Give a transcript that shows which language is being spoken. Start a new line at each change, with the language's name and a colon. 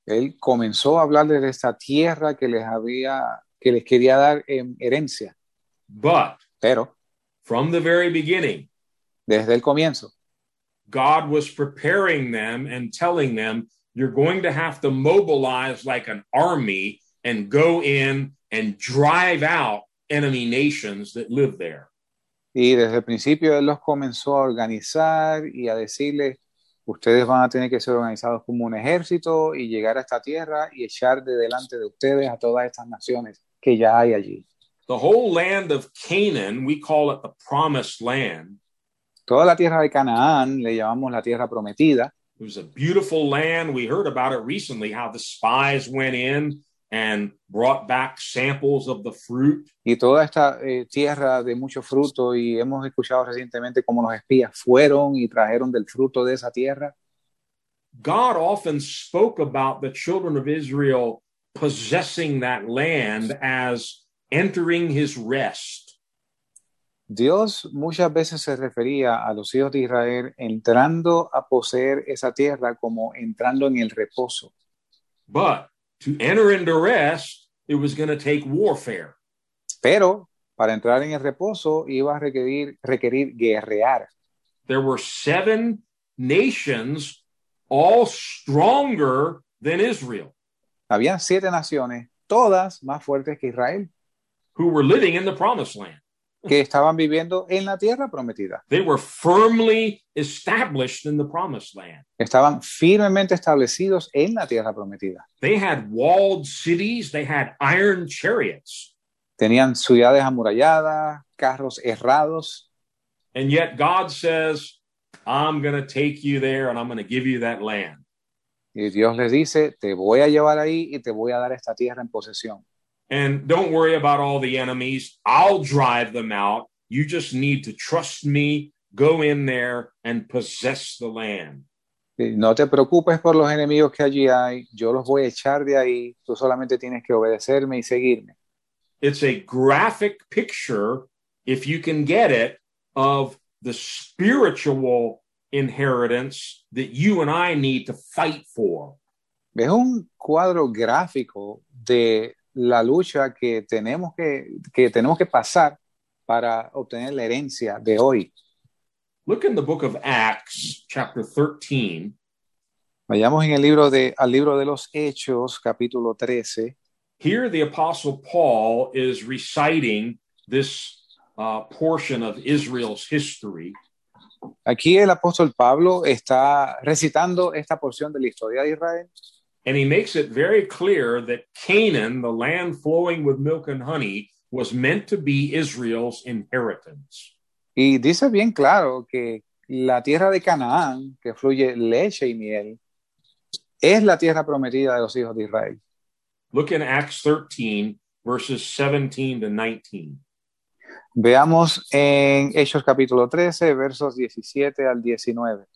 Spanish: Él comenzó a hablarles de esta tierra que les había, que les quería dar en herencia.
English: But,
Spanish: pero,
English: from the very beginning,
Spanish: desde el comienzo,
English: God was preparing them and telling them, you're going to have to mobilize like an army and go in and drive out enemy nations that live there.
Spanish: Y desde el principio él los comenzó a organizar y a decirles, ustedes van a tener que ser organizados como un ejército y llegar a esta tierra y echar de delante de ustedes a todas estas naciones que ya hay allí.
English: The whole land of Canaan, we call it the promised land.
Spanish: Toda la tierra de Canaán le llamamos la tierra prometida.
English: It was a beautiful land. We heard about it recently, how the spies went in and brought back samples of the fruit.
Spanish: Y toda esta tierra de mucho fruto, y hemos escuchado recientemente cómo los espías fueron y trajeron del fruto de esa tierra.
English: God often spoke about the children of Israel possessing that land as entering his rest.
Spanish: Dios muchas veces se refería a los hijos de Israel entrando a poseer esa tierra como entrando en el reposo.
English: But to enter into rest, it was going to take warfare.
Spanish: Pero para entrar en el reposo iba a requerir guerrear.
English: There were seven nations all stronger than Israel.
Spanish: Habían siete naciones, todas más fuertes que Israel,
English: who were living in the promised land.
Spanish: Que estaban viviendo en la tierra prometida.
English: They were firmly established in the promised land.
Spanish: Estaban firmemente establecidos en la tierra prometida.
English: They had walled cities, they had iron chariots.
Spanish: Tenían ciudades amuralladas, carros herrados.
English: And yet God says, I'm going to take you there and I'm going to give you that land.
Spanish: Y Dios les dice, te voy a llevar ahí y te voy a dar esta tierra en posesión.
English: And don't worry about all the enemies. I'll drive them out. You just need to trust me. Go in there and possess the land.
Spanish: No te preocupes por los enemigos que allí hay. Yo los voy a echar de ahí. Tú solamente tienes que obedecerme y seguirme.
English: It's a graphic picture, if you can get it, of the spiritual inheritance that you and I need to fight for.
Spanish: Es un cuadro gráfico de la lucha que tenemos que pasar para obtener la herencia de hoy.
English: Look in the book of Acts, chapter 13.
Spanish: Vayamos en el libro de los Hechos, capítulo 13.
English: Here, the Apostle Paul is reciting this portion of Israel's history.
Spanish: Aquí el apóstol Pablo está recitando esta porción de la historia de Israel.
English: And he makes it very clear that Canaan, the land flowing with milk and honey, was meant to be Israel's inheritance.
Spanish: Y dice bien claro que la tierra de Canaán, que fluye leche y miel, es la tierra prometida de los hijos de Israel.
English: Look in Acts 13, verses 17 to 19.
Spanish: Veamos en Hechos capítulo 13, versos 17 al 19.